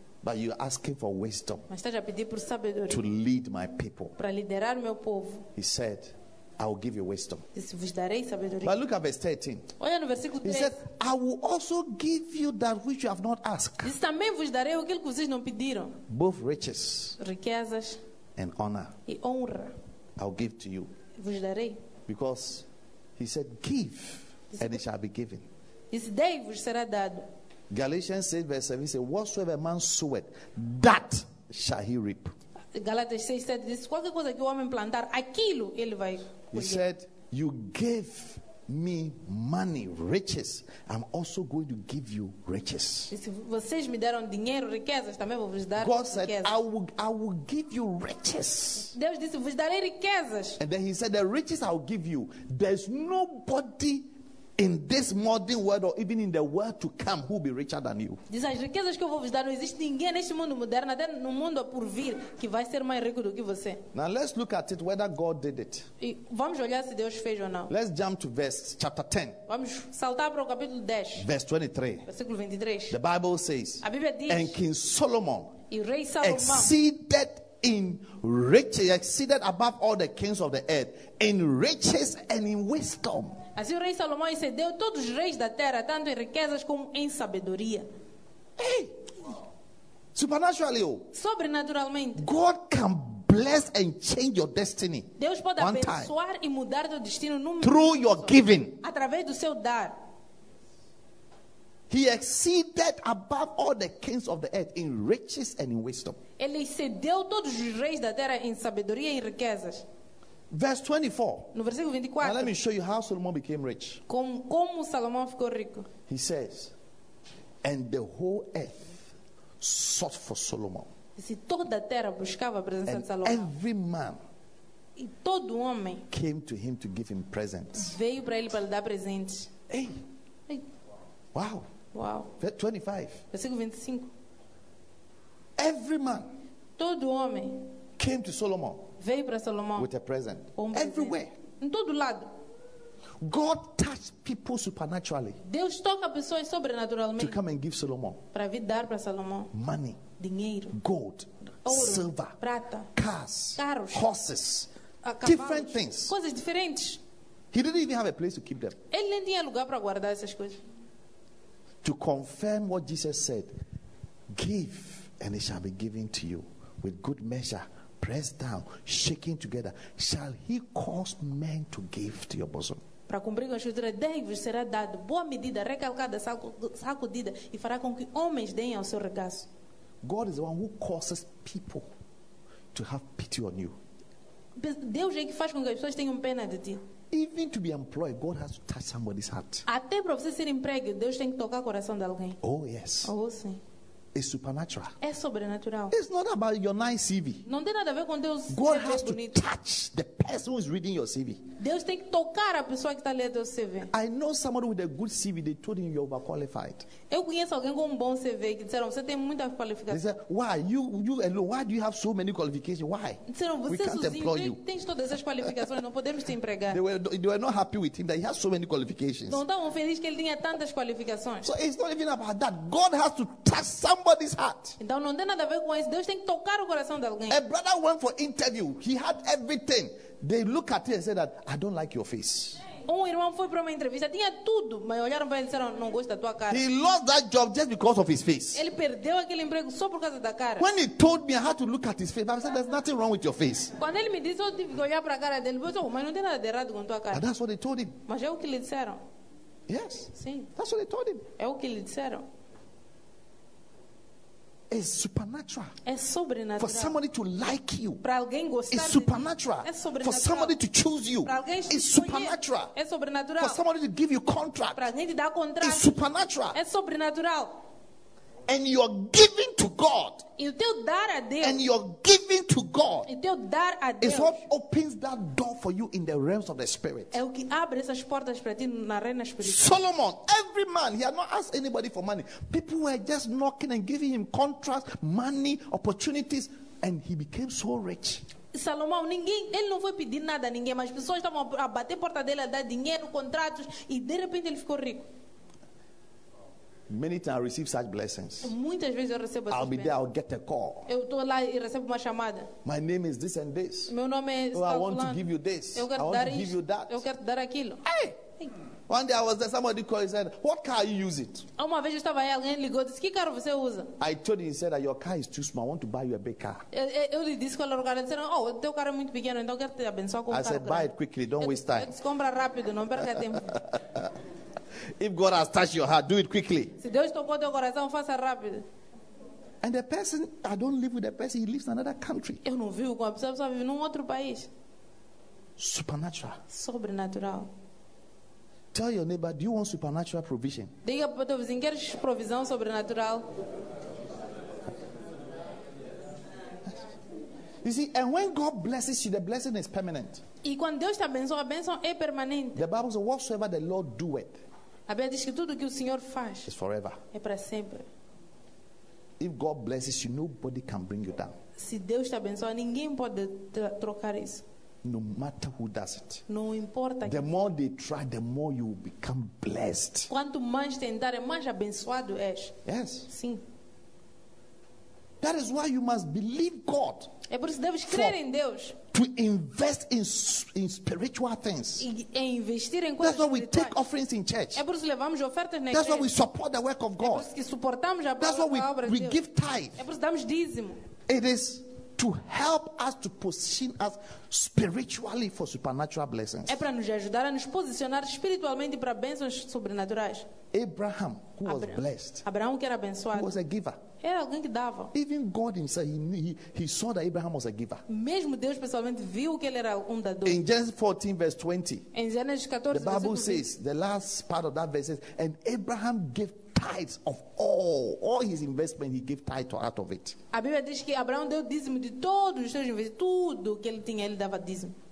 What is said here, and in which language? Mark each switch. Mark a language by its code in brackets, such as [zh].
[en] But you're asking for wisdom. [pt] Mas estás a pedir por sabedoria. [en] To lead my people. [pt] Para liderar meu povo. [en] He said, I will give you wisdom. [pt] Disse, vos darei sabedoria. [en] But look at verse 13. [pt] Olha no versículo 13. [en] He said, I will also give you that which you have not asked. [pt] Disse, também vos darei aquilo que vocês não pediram. [en] Both riches. [pt] Riquezas. [en] And honor. [pt] E honra. [en] I'll give to you. [pt] Vos darei. [en] Because he said, give. Disse, and it shall be given. [pt] Disse, dei, vos será dado. [en] Galatians 6 verse 7 says, whatsoever a man soweth, that shall he reap. Galatians 6 said this, [pt] qualquer coisa que o homem plantar, aquilo ele vai colher. [en] He said, you gave me money, riches. I'm also going to give you riches. [pt] Vocês me deram dinheiro, riquezas, também vou vos dar riquezas. [en] God said, I will give you riches. [pt] Deus disse, vos darei riquezas. [en] And then he said, the riches I will give you, there's nobody in this modern world or even in the world to come who will be richer than you. [pt] Diz, as riquezas que eu vou vos dar, não existe ninguém neste mundo moderno, até no mundo por vir, que vai ser mais rico do que você. [en] Now let's look at it, whether God did it. [pt] E vamos olhar se Deus fez ou não. [en] Let's jump to verse chapter 10. [pt] Vamos saltar para o capítulo 10. [en] Verse 23. [pt] Versículo 23. [en] The Bible says, [pt] a Bíblia diz, [en] and King Solomon, [pt] e rei Salomão, [en] exceeded in riches, exceeded above all the kings of the earth in riches and in wisdom. [pt] Assim o rei Salomão excedeu todos os reis da terra, tanto em riquezas como em sabedoria. [en] Hey, supernaturally, [pt] sobrenaturalmente, [en] God can bless and change your destiny. [pt] Deus pode abençoar e mudar teu destino num [en] through momento, your giving, [pt] através do seu dar. [en] He exceeded above all the kings of the earth in riches and in wisdom. [pt] Ele excedeu todos os reis da terra em sabedoria e riquezas. [en] Verse 24. [pt] No versículo 24. [en] Now let me show you how Solomon became rich. [pt] Como Salomão ficou rico. [en] He says, and the whole earth sought for Solomon. [pt] E toda a terra buscava a presença de Salomão. [en] Every man, [pt] e todo homem, [en] came to him to give him presents. [pt] Veio para ele para lhe dar presentes. Hey. Hey. Wow. Wow. 25. Versículo 25. [en] Every man, [pt] todo homem, [en] came to Solomon. [pt] Veio para Salomão. [en] With a present. [pt] Um [en] everywhere. [pt] Em todo lado. [en] God touched people supernaturally. [pt] Deus toca pessoas sobrenaturalmente. [en] To come and give Solomon. [pt] Para vir dar para Salomão. [en] Money. [pt] Dinheiro. [en] Gold. [pt] Ouro, [en] silver. [pt] Prata. [en] Cars. [pt] Carros. [en] Horses. [pt] Cavalos, [en] different things. [pt] Coisas diferentes. [en] He didn't even have a place to keep them. [pt] Ele nem tinha lugar para guardar essas coisas. [en] To confirm what Jesus said, give and it shall be given to you with good measure. Pressed down, shaking together, shall he cause men to give to your bosom? [pt] Para cumprir com a escritura, dei-vos será dado boa medida, recalcada, sacudida, e fará com que homens deem ao seu regaço. [en] God is the one who causes people to have pity on you. [pt] Deus é que faz com que as pessoas tenham pena de ti. [en] Even to be employed, God has to touch somebody's heart. [pt] Até para você ser emprego, Deus tem que tocar o coração de alguém. [en] Oh yes. [pt] Oh sim. [en] It's supernatural. [pt] É sobrenatural. [en] It's not about your nice CV. [pt] Não tem nada a ver com Deus. [en] God CV has [pt] bonito. [en] To touch the person who is reading your CV. [pt] Deus tem que tocar a pessoa que está lendo o CV. [en] I know somebody with a good CV. They told him you're overqualified. [pt] Eu conheço alguém com um bom CV que disseram você tem muita qualificação. [en] They said, why you why do you have so many qualifications? Why? [pt] Disseram, você [en] we can't employ you. [pt] Tem todas essas qualificações, não podemos te empregar. [en] They were not happy with him that he has so many qualifications. [pt] Não estavam felizes que ele tinha tantas qualificações. [en] So it's not even about that. God has to touch somebody. [pt] Então não tem nada a ver com isso. Deus tem que tocar o coração de alguém. [en] A brother went for interview. He had everything. They look at him and said that I don't like your face. [pt] Um irmão foi para uma entrevista, tinha tudo, mas olharam para ele e disseram não gosto da tua cara. [en] He lost that job just because of his face. [pt] Ele perdeu aquele emprego só por causa da cara. [en] When he told me I had to look at his face, I said there's nothing wrong with your face. [pt] Quando ele me disse eu tive que olhar para a cara dele, eu disse mas não tem nada de errado com tua cara. [en] And that's what they told him. [pt] Mas é o que lhe disseram. [en] Yes. [pt] Sim. [en] That's what they told him. [pt] É o que lhe disseram. [en] It's supernatural. [pt] É sobrenatural. [en] For somebody to like you. [pt] Para alguém gostar. [en] It's supernatural. [pt] É sobrenatural. [en] For somebody to choose you. [pt] Para alguém [en] escolher. It's supernatural. [pt] É sobrenatural. [en] For somebody to give you contract. [pt] Para alguém te dar contrato. [en] It's supernatural. [pt] É sobrenatural. [en] And you're giving to God. [pt] E o teu dar a Deus. [en] And you're giving to God. [pt] E o teu dar a Deus. [en] It's what opens that door for you in the realms of the spirit. [pt] É o que abre essas portas para ti na arena espiritual. [en] Solomon, every man, he had not asked anybody for money. People were just knocking and giving him contracts, money, opportunities, And he became so rich. [pt] Salomão, ele não foi pedir nada a ninguém, mas as pessoas estavam a bater a porta dele, a dar dinheiro, contratos, e de repente ele ficou rico. [en] Many times I receive such blessings. [pt] Muitas vezes eu recebo [en] I'll be there, I'll get a call. [pt] Eu tô lá e recebo uma chamada. [en] My name is this and this. [pt] Meu nome é [en] I want to give you this. [pt] Eu quero [en] I want [pt] dar [en] to [pt] isso. [en] Give you that. [pt] Eu quero dar aquilo. Hey! [en] One day I was there, somebody called and said, what car are you using? [pt] Uma vez eu estava aí, alguém ligou, disse, que carro você usa? [en] I told him, he said, your car is too small, I want to buy you a big car. [pt] Eu lhe disse qual era o carro, ele disse, oh, teu carro é muito pequeno, então eu quero te abençoar com o carro. [en] I said, buy it quickly, don't waste time. [pt] Eu disse, compra rápido, não perca tempo. [en] If God has touched your heart, do it quickly. [pt] Se Deus tocou teu coração, faça rápido. [en] And the person, I don't live with the person, he lives in another country. [pt] Eu não vivo com a pessoa, só vive num outro país. [en] Supernatural. [pt] Sobrenatural. [en] Tell your neighbor, do you want supernatural provision? [pt] Diga para o teu vizinho, queres provisão sobrenatural? [en] You see, and when God blesses you, the blessing is permanent. [pt] E quando Deus te abençoa, a bênção é permanente. [en] The Bible says, whatsoever the Lord doeth. [pt] A Bíblia diz que tudo que o Senhor faz [en] is forever. [pt] É para sempre. [en] If God blesses you, nobody can bring you down. [pt] Se Deus te abençoa, ninguém pode trocar isso. [en] No matter who does it. [pt] Não importa. [en] The more they try, the more you become blessed. [pt] Quanto mais tentar, mais abençoado és. [en] Yes. [pt] Sim. [en] That is why you must believe God. [pt] É por isso que deves crer em Deus. [en] To invest in spiritual things. [pt] Investir em coisas. [en] That's why we take offerings in church. [pt] É por isso que levamos ofertas na igreja. [en] That's why we support the work of God. [pt] É por isso que suportamos a obra de [en] Deus. That's why we give tithe. [pt] É por isso que damos dízimo. [en] It is to help us to position us spiritually for supernatural blessings. [pt] É para nos ajudar a nos posicionar espiritualmente para bênçãos sobrenaturais. [en] Abraham, who was blessed. [pt] Abraão que era abençoado. [en] Who was a giver. [pt] Era alguém que dava. [en] Even God himself, he saw that Abraham was a giver. [pt] Mesmo Deus pessoalmente viu que ele era dador. [en] In Genesis 14 verse 20. [pt] Em Gênesis 14 [en] the Bible says, the last part of that verse says, and Abraham gave tithes of all his investment, he gave tithe out of it. [pt] A Bíblia diz que Abraão deu dízimo de todos os seus investimentos, tudo que ele tinha, ele dava dízimo.